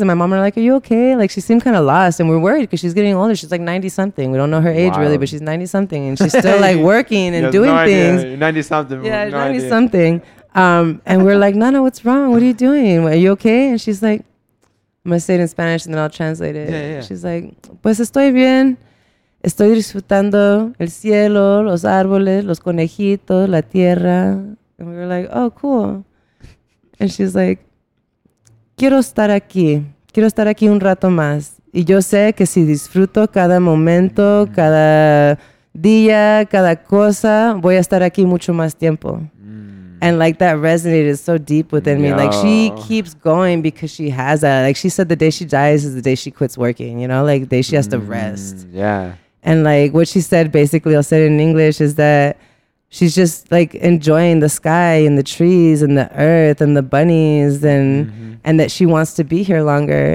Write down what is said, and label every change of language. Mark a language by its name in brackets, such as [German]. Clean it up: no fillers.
[English] And my mom were like, are you okay? Like she seemed kind of lost and we're worried because she's getting older. She's like 90 something. We don't know her age really, but she's 90 something. And she's still like working and doing things. 90 something. Yeah, 90 something. And we're like, Nana, what's wrong? What are you doing? Are you okay? And she's like, I'm going to say it in Spanish and then I'll translate it. Yeah. She's like, [Spanish] pues estoy bien. Estoy disfrutando el cielo, los árboles, los conejitos, la tierra. [English] And we were like, oh, cool. And she's like, [Spanish] quiero estar aquí. Quiero estar aquí un rato más. Y yo sé que si disfruto cada momento, cada día, cada cosa, voy a estar aquí mucho más tiempo. [English] And like that resonated so deep within me. Like she keeps going because she has that. Like she said the day she dies is the day she quits working, you know? Like the day she has to rest. Yeah. And like what she said, basically, I'll say it in English, is that she's just like enjoying the sky and the trees and the earth and the bunnies and and that she wants to be here longer.